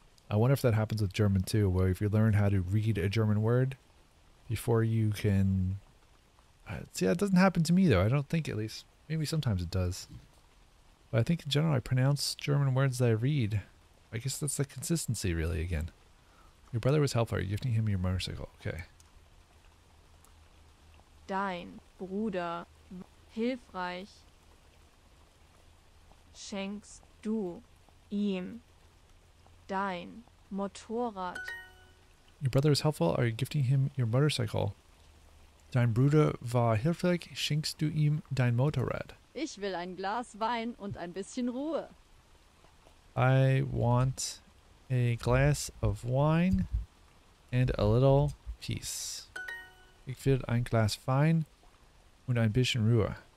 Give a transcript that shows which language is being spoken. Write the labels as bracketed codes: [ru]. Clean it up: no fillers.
[en] I wonder if that happens with German too, where if you learn how to read a German word before you can see, that doesn't happen to me though. I don't think, at least maybe sometimes it does. But I think in general, I pronounce German words that I read. I guess that's the consistency, really, again. Your brother was helpful. Are you gifting him your motorcycle? Okay. [de] Dein Bruder hilfreich schenkst du ihm dein Motorrad. [en] Your brother was helpful. Are you gifting him your motorcycle? [de] Dein Bruder war hilfreich schenkst du ihm dein Motorrad. Ich will ein Glas Wein und ein bisschen Ruhe. [en] I want a glass of wine and a little peace. [de] Ich will ein Glas Wein und ein bisschen Ruhe.